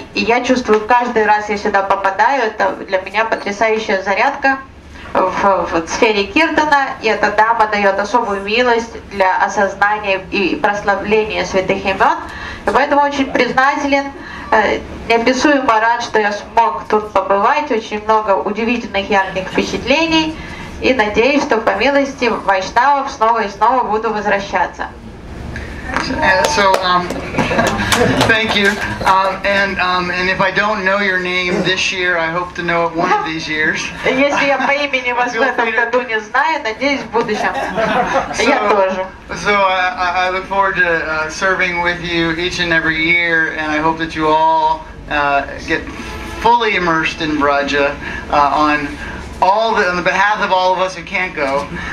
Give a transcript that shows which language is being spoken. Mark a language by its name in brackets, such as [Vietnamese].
[Russian] И я чувствую, каждый раз я сюда попадаю, это для меня потрясающая зарядка в сфере киртана, и эта дама дает особую милость для осознания и прославления святых имен. И поэтому очень признателен, неописуемо рад, что я смог тут побывать, очень много удивительных ярких впечатлений, и надеюсь, что по милости вайшнавов снова и снова буду возвращаться. [English] So, thank you. And if I don't know your name this year, I hope to know it one of these years. [Russian] Если я по имени вас в этом году не знаю, надеюсь в будущем. Я тоже. [English] So I look forward to serving with you each and every year, and I hope that you all get fully immersed in Vraja on behalf of all of us who can't go.